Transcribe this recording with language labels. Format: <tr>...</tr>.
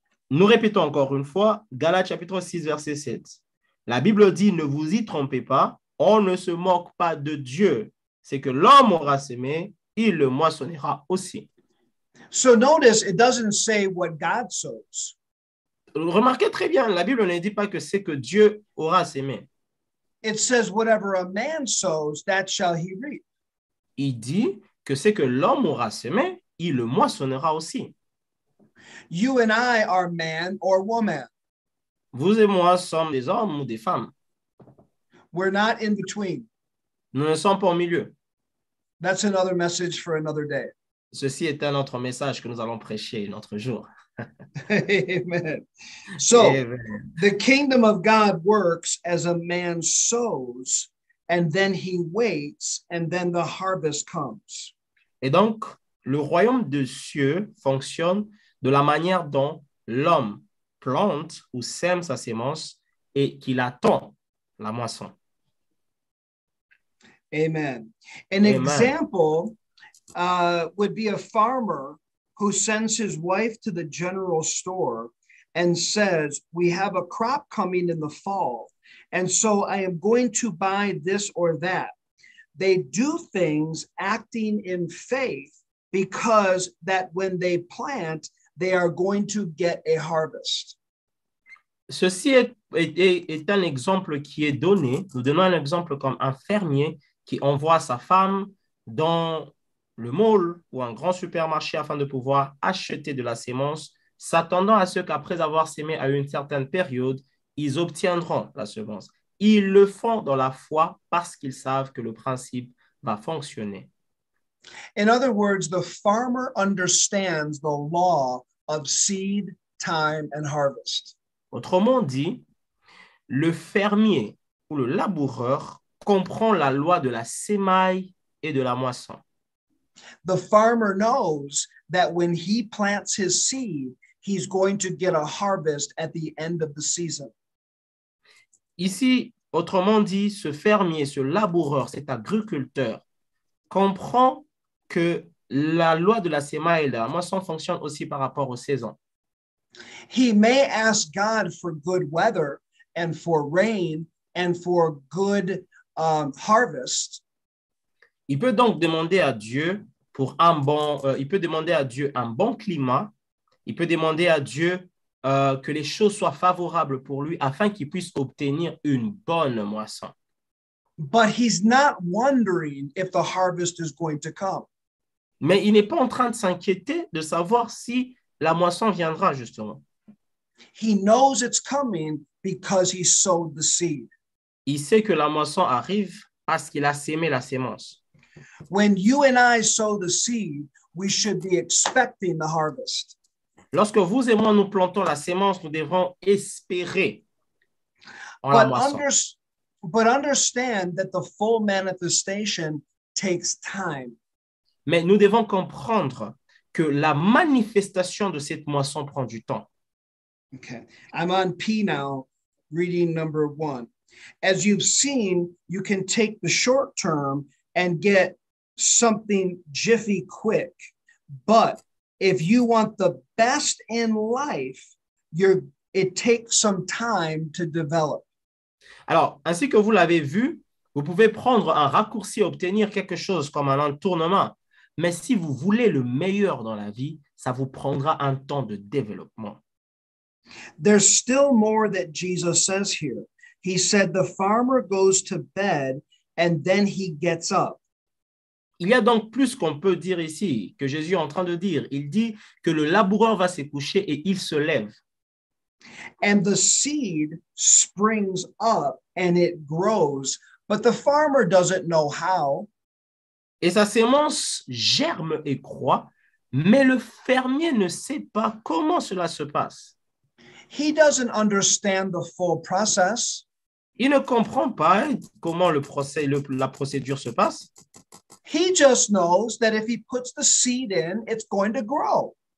<fr>Nous répétons encore une fois, Galates chapitre 6, verset 7. La Bible dit, ne vous y trompez pas. On ne se moque pas de Dieu. C'est que l'homme aura semé, il le moissonnera aussi.</fr> <en>So notice, it doesn't say what God sows.</en> <fr>Remarquez très bien, la Bible ne dit pas que c'est que Dieu aura semé.</fr> <en>It says whatever a man sows, that shall he reap.</en> <fr>Il dit que c'est que l'homme aura semé, il le moissonnera aussi.</fr> <en>You and I are man or woman.</en> <fr>Vous et moi sommes des hommes ou des femmes.</fr> <en>We're not in between.</en> <fr>Nous ne sommes pas au milieu.</fr> <en>That's another message for another day.</en> <fr>Ceci est un autre message que nous allons prêcher un autre jour.</fr> <en>Amen. So, Amen. The kingdom of God works as a man sows, and then he waits, and then the harvest comes.</en> <fr>Et donc, le royaume de cieux fonctionne de la manière dont l'homme plante ou sème sa semence et qu'il attend la moisson.</fr> <en>Amen. An Amen. Example would be a farmer who sends his wife to the general store and says, we have a crop coming in the fall, and so I am going to buy this or that. They do things acting in faith because that when they plant, they are going to get a harvest.</en> <fr>Ceci est un exemple qui est donné. Nous donnons un exemple comme un fermier qui envoie sa femme dans le mall ou un grand supermarché afin de pouvoir acheter de la semence, s'attendant à ce qu'après avoir semé à une certaine période, ils obtiendront la semence. Ils le font dans la foi parce qu'ils savent que le principe va fonctionner.</fr> <en>In other words, the farmer understands the law of seed, time, and harvest.</en> <fr>Autrement dit, le fermier ou le laboureur comprend la loi de la semaille et de la moisson.</fr> <en>The farmer knows that when he plants his seed, he's going to get a harvest at the end of the season.</en> <fr>Ici, autrement dit, ce fermier, ce laboureur, cet agriculteur comprend que la loi de la semaille et de la moisson fonctionne aussi par rapport aux saisons.</fr> <en>He may ask God for good weather and for rain and for good harvest.</en> <fr>Il peut donc demander à Dieu pour un bon, il peut demander à Dieu un bon climat. Il peut demander à Dieu que les choses soient favorables pour lui afin qu'il puisse obtenir une bonne moisson.</fr> <en>But he's not wondering if the harvest is going to come.</en> <fr>Mais il n'est pas en train de s'inquiéter de savoir si la moisson viendra justement.</fr> <en>He knows it's coming because he sowed the seed.</en> <fr>Il sait que la moisson arrive parce qu'il a semé la semence.</fr> <en>When you and I sow the seed, we should be expecting the harvest.</en> <fr>Lorsque vous et moi nous plantons la semence, nous devons espérer en</fr> <en>but</en> <fr>la moisson.</fr> <en>But understand that the full manifestation takes time.</en> <fr>Mais nous devons comprendre que la manifestation de cette moisson prend du temps.</fr> <en>Okay, I'm on P now, reading number one. As you've seen, you can take the short term and get something jiffy quick. But if you want the best in life, it takes some time to develop.</en> <fr>Alors, ainsi que vous l'avez vu, vous pouvez prendre un raccourci, obtenir quelque chose comme un entournement. Mais si vous voulez le meilleur dans la vie, ça vous prendra un temps de développement.</fr> <en>There's still more that Jesus says here. He said the farmer goes to bed and then he gets up.</en> <fr>Il y a donc plus qu'on peut dire ici que Jésus est en train de dire. Il dit que le laboureur va se coucher et il se lève.</fr> <en>And the seed springs up and it grows, but the farmer doesn't know how.</en> <fr>Et sa semence germe et croît, mais le fermier ne sait pas comment cela se passe.</fr> <en>He doesn't understand the full process.</en> <fr>Il ne comprend pas comment la procédure se passe.</fr> <en>He just knows that if he puts the seed in, it's going to grow.</en>